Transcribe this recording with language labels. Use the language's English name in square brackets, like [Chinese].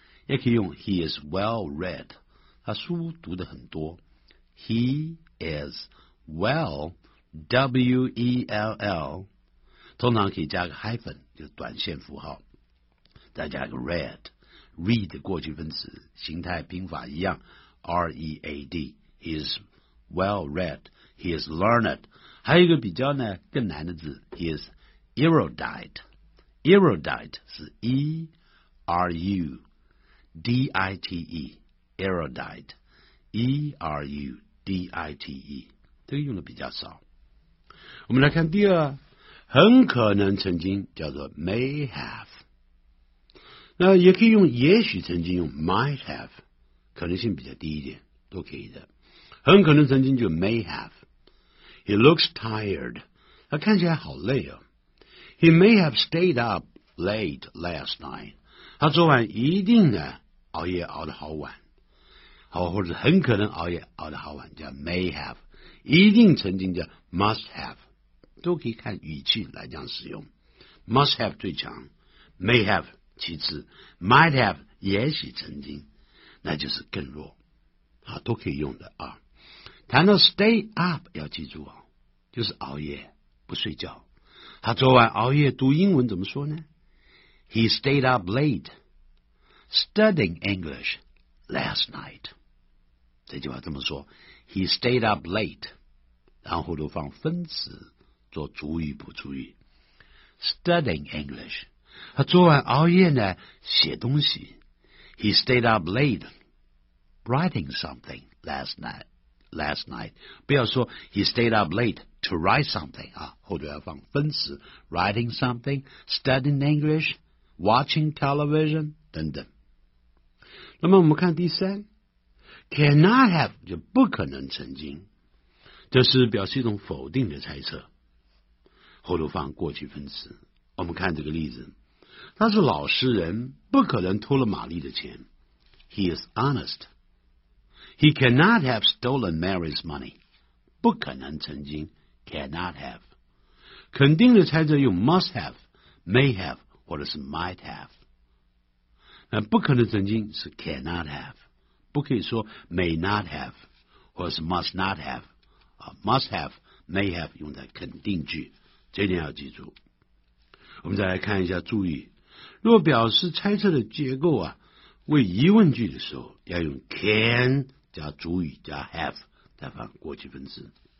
[Chinese] 也可以用 [English] He is well read， [Chinese] 他书读得很多。 He is well W-E-L-L， 通常可以加个 hyphen， 就是短线符号，再加个 read， read 的过去分词，形态拼法一样 R-E-A-D。 [English] He is well read， He is learned。 [Chinese] 还有一个比较呢更难的字， [English] He is erudite。 [Chinese] Erudite 是 E-R-U D-I-T-E， Erudite E-R-U D-I-T-E， 这个用的比较少。我们来看第二，很可能曾经叫做 may have， 那也可以用也许曾经用 might have， 可能性比较低一点都可以的。很可能曾经就 may have。 [English] He looks tired， [Chinese] 他看起来好累哦。 [English] He may have stayed up late last night， [Chinese] 他昨晚一定呢熬夜熬得好晚，好，或者很可能熬夜熬得好晚，叫 may have， 一定曾经叫 must have，都可以看语气来这样使用。 must have 最强， may have 其次， might have 也许曾经，那就是更弱，好，都可以用的啊。谈到 stay up 要记住哦，就是熬夜不睡觉。他昨晚熬夜读英文怎么说呢？ [English] He stayed up late studying English last night， [Chinese] 这句话这么说， [English] He stayed up late， [Chinese] 然后都放分词做主语补主语。 Studying English， 他昨晚熬夜呢写东西。 [English] He stayed up late writing something last night， [Chinese] 不要说 [English] He stayed up late to write something [Chinese] 啊，后头要放分词 [English] writing something， studying English， watching television [Chinese] 等等。那么我们看第三， cannot have 就不可能曾经，这是表示一种否定的猜测，后头放过去分词。我们看这个例子，他是老实人，不可能偷了玛丽的钱。 [English] He is honest. He cannot have stolen Mary's money. [Chinese] 不可能曾经 [English] cannot have， [Chinese] 肯定的猜测用 [English] must have may have [Chinese] 或者是 [English] might have。 [Chinese] 那不可能曾经是 cannot have， 不可以说 may not have 或者是 must not have、must have may have 用在肯定句，这点要记住。我们再来看一下注意，若表示猜测的结构啊，为疑问句的时候要用 can 加主语加 have 再放过去分词。